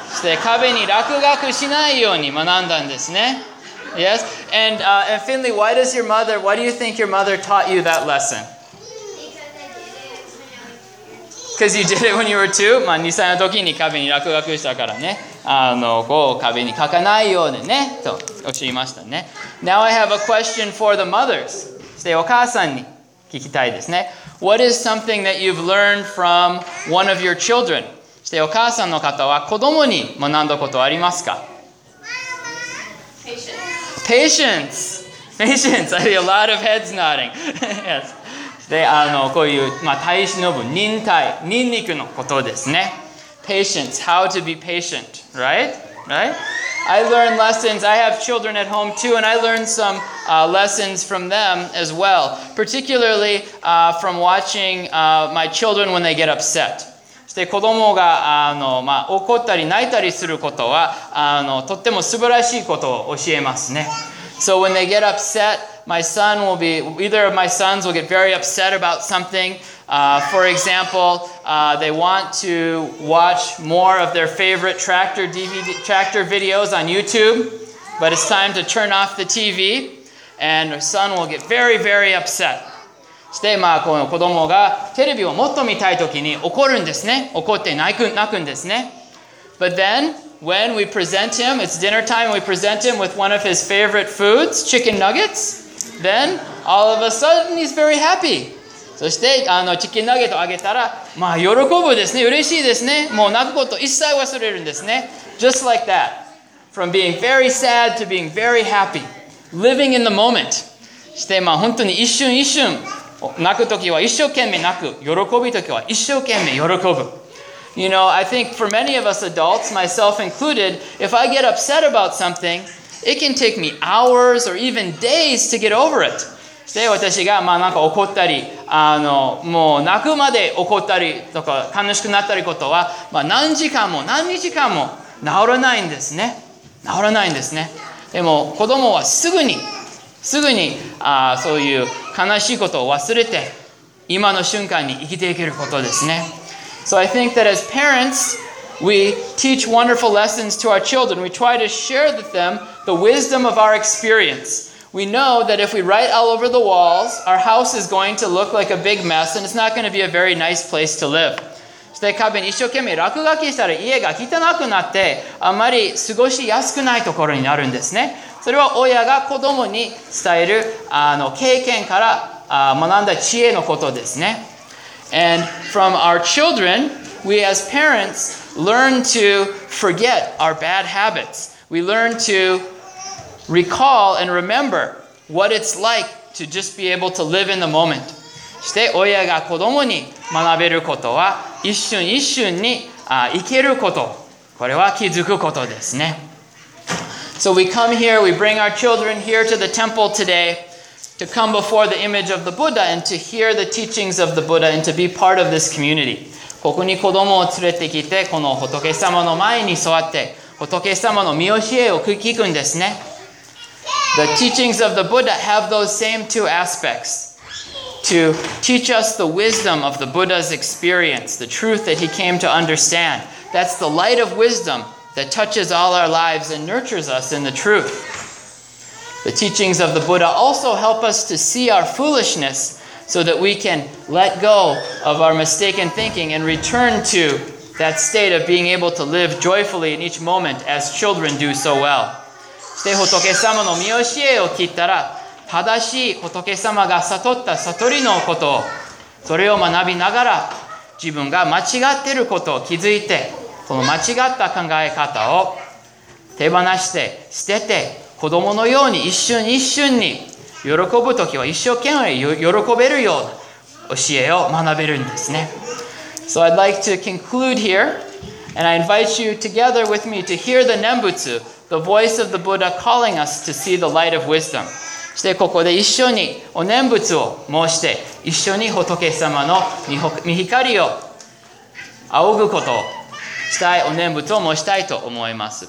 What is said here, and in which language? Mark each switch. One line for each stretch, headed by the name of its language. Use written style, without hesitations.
Japanese: そして壁に落書きしないように学んだんですね。
English: Yes, and Finley, why do you think your mother taught you that lesson? Because you did it when you were two?
Japanese: まあ2歳の時に壁に落書きしたからね。こう壁に書かないようにね、と教えましたね。
English: Now I have a question for the mothers.
Japanese: そしてお母さんに聞きたいですね。
English: What is something that you've learned from one of your children?
Japanese: そしてお母さんの方は子供に学んだことありますか?
English: Patience. Patience. I see a lot of heads nodding. Yes.
Japanese: で、こういう、まあ、耐え忍ぶ、忍耐、忍肉のことですね。
English: Patience. How to be patient. Right? I learned lessons. I have children at home too, and I learned some lessons from them as well. Particularly from watching my children when they get upset.
Japanese: で子供が怒ったり泣いたりすることはとっても素晴らしいことを教えますね。
English: So when they get upset, either of my sons will get very upset about something. For example, they want to watch more of their favorite tractor videos on YouTube, but it's time to turn off the TV, and their son will get very, very upset.
Japanese: そして、まあ、この子供がテレビをもっと見たいときに怒るんですね。怒って泣くんですね。
English: But then, when we present him, it's dinner time, we present him with one of his favorite foods, chicken nuggets, then all of a sudden he's very happy.
Japanese: そして、チキンナゲットをあげたら、まあ、喜ぶですね。嬉しいですね。もう泣くこと一切忘れるんですね。
English: Just like that. from being very sad to being very happy, living in the moment.
Japanese: して、まあ、本当に一瞬一瞬、泣くときは一生懸命泣く、喜びときは一生懸命喜ぶ。
English: You know, I think for many of us adults, myself included, if I get upset about something, it can take me hours or even days to get over it.
Japanese: して私がまあなんか怒ったり、もう泣くまで怒ったりとか悲しくなったりことは、まあ、何時間も何日間も治らないんですね。治らないんですね。でも子供はすぐにそういう悲しいことを忘れて今の瞬間に生きていけることですね。
English: So I think that as parents, we teach wonderful lessons to our children. We try to share with them the wisdom of our experience. We know that if we write all over the walls, our house is going to look like a big mess and it's not going to be a very nice place to live.
Japanese: そして壁に一生懸命落書きしたら家が汚くなってあまり過ごしやすくないところになるんですね。それは親が子供に伝える経験から学んだ知恵のことですね。
English: And from our children, we as parents learn to forget our bad habits. We learn to recall and remember what it's like to just be able to live in the moment.
Japanese: して親が子供に学べることは一瞬一瞬に生けること。これは気づくことですね。
English: So we come here, we bring our children here to the temple today. To come before the image of the Buddha and to hear the teachings of the Buddha and to be part of this community.
Japanese: ここに子供を連れてきて、この仏様の前に座って、仏様の御教えを聞くんですね。
English: The teachings of the Buddha have those same two aspects. To teach us the wisdom of the Buddha's experience, the truth that he came to understand. That's the light of wisdom that touches all our lives and nurtures us in the truth. The teachings of the Buddha also help us to see our foolishness so that we can let go of our mistaken thinking and return to that state of being able to live joyfully in each moment as children do so well.
Japanese: して仏様の御教えを聞いたら、正しい仏様が悟った悟りのことを、それを学びながら自分が間違っていることを気づいて、この間違った考え方を手放して捨てて、子供のように一瞬一瞬に喜ぶときは一生懸命喜べるような教えを学べるんですね。
English: So I'd like to conclude here, and I invite you together with me to hear the Nembutsu, the voice of the Buddha calling us to see the light of wisdom.
Japanese: そしてここで一緒にお念仏を申して、一緒に仏様の御光を仰ぐことをしたい、お念仏を申したいと思います。